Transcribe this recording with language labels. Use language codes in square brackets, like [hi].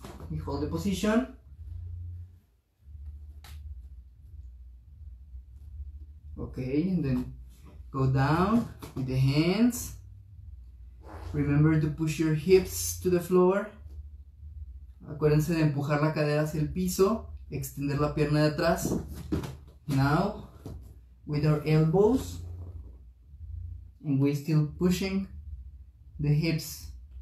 [en] We hold the position. Okay, and then go down with the hands. Remember to push your hips to the floor. [es] Acuérdense de empujar la cadera hacia el piso, extender la pierna de atrás. [en] Now, with our elbows, and we're still pushing the hips.